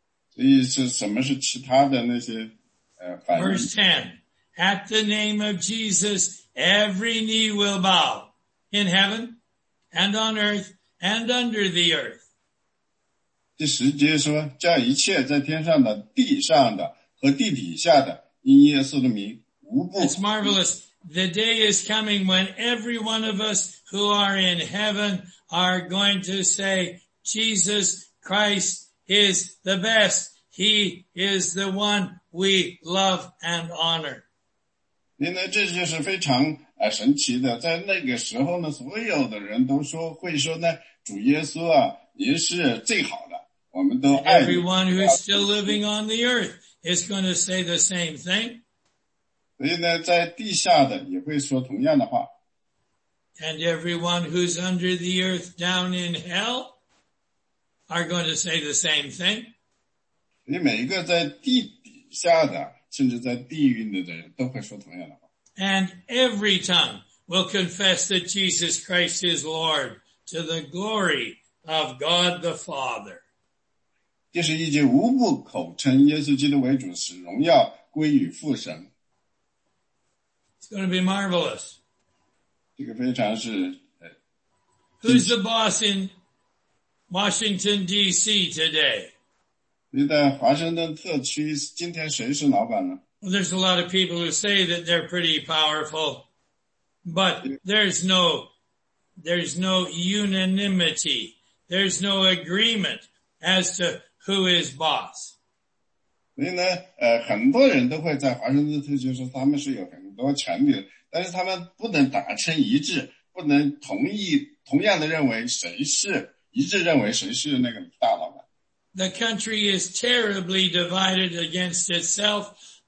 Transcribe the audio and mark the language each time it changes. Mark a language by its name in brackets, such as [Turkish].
[Chinese] 所以是什么是其他的那些反应？ [English] Verse 10, at the name of Jesus, every knee will bow in heaven and on earth and under the earth. [Chinese] 第十节说，叫一切在天上的、地上的和地底下的，因耶稣的名无不。 [English] It's marvelous. The day is coming when every one of us who are in heaven are going to say, Jesus Christ is the best. He is the one we love and honor. [Chinese] 因为这就是非常神奇的，在那个时候呢，所有的人都说，会说呢，主耶稣啊，您是最好的，我们都爱你。 [English] Everyone who is still living on the earth is going to say the same thing. [Chinese] 所以呢，在地下的也会说同样的话。 [English] And everyone who's under the earth down in hell are going to say the same thing. [Chinese] 你每一个在地底下的，甚至在地狱里的人都会说同样的话。 [English] And every tongue will confess that Jesus Christ is Lord to the glory of God the Father. [Chinese] 第十一节，无不口称耶稣基督为主，使荣耀归于父神。 [English] It's going to be marvelous. [Chinese] 这个非常是。 [English] Who's the boss in Washington D.C. today? [Chinese] 你在华盛顿特区今天谁是老板呢？ [English] Well, there's a lot of people who say that they're pretty powerful, but there's no unanimity. There's no agreement as to who is boss. [Chinese] 所以呢，很多人都会在华盛顿特区说他们是有很多权利，但是他们不能达成一致，不能同样的认为谁是一致认为谁是那个大老板。 [English] The country is terribly divided against itself.